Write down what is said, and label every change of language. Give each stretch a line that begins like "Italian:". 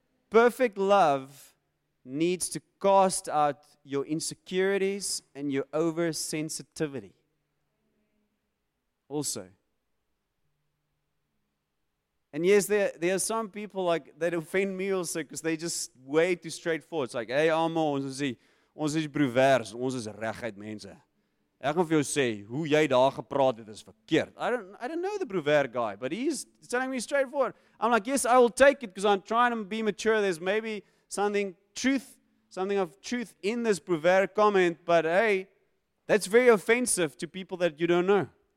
English: Perfect love needs to cast out your insecurities and your oversensitivity. Also. And yes, there are some people like that offend me also because they just way too straightforward. It's like, hey,
Afrikaans: Amo, ons is broers, ons is regheid mense. Ek gaan vir jou sê, hoe jy daar gepraat het is verkeerd.
English: I don't know the broer guy, but he's telling me straightforward. I'm like, yes, I will take it because I'm trying to be mature. There's maybe something of truth in this broer comment, but hey, that's very offensive to people that you don't know.